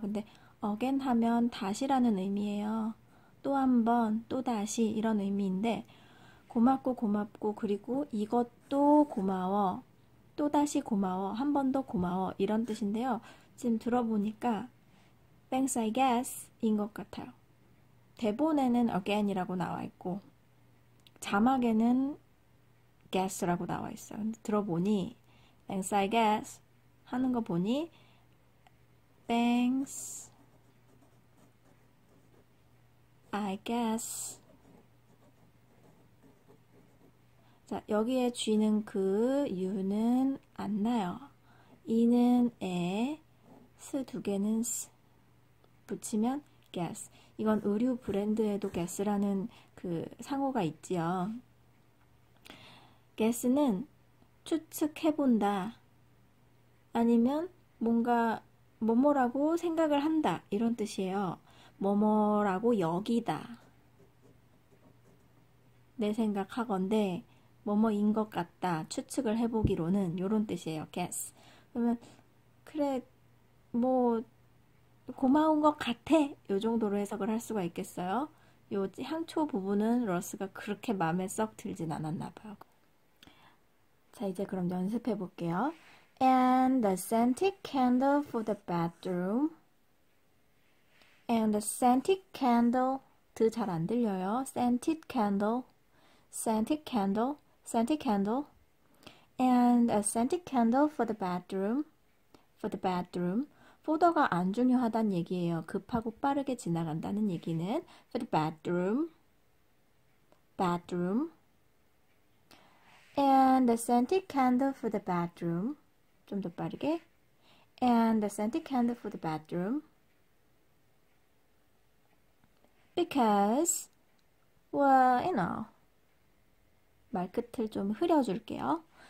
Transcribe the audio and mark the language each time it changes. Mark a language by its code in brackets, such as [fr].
[ko] 근데 again 하면 다시라는 의미예요. 또한 번, 또 다시 이런 의미인데 고맙고 고맙고 그리고 이것도 고마워. 또 다시 고마워. 한번더 고마워. 이런 뜻인데요. 지금 들어보니까 [en] thanks I guess [ko] 인것 같아요. 대본에는 again이라고 나와 있고 자막에는 guess라고 나와 있어요. 근데 들어보니 [en] thanks I guess [ko] 하는 거 보니 [en] thanks I guess. [ko] 자, 여기에 G는 그, U는 안 나요. E는 에, S 두 개는 S. 붙이면 guess. 이건 의류 브랜드에도 guess라는 그 상호가 있지요. guess는 추측해본다. 아니면 뭔가 뭐뭐라고 생각을 한다. 이런 뜻이에요. 뭐뭐라고 여기다. 내 생각하건대, 뭐뭐인 것 같다. 추측을 해보기로는. 요런 뜻이에요. guess. 그러면, 그래, 뭐, 고마운 것 같아. 요 정도로 해석을 할 수가 있겠어요. 요 향초 부분은 러스가 그렇게 마음에 썩 들진 않았나 봐요. 자, 이제 그럼 연습해 볼게요. [en] And the scented candle for the bathroom. And the scented candle. [ko] 드잘안 들려요. [en] Scented candle. Scented candle. Scented candle. And a scented candle for the bathroom. For the bathroom. [ko] For가 안 중요하단 얘기예요. 급하고 빠르게 지나간다는 얘기는 [en] for the bathroom. Bathroom. And a scented candle for the bathroom. [ko] 좀더 빠르게. [en] And a scented candle for the bathroom. Because, well, you know. [ko] 말 끝을 좀 흐려줄게요.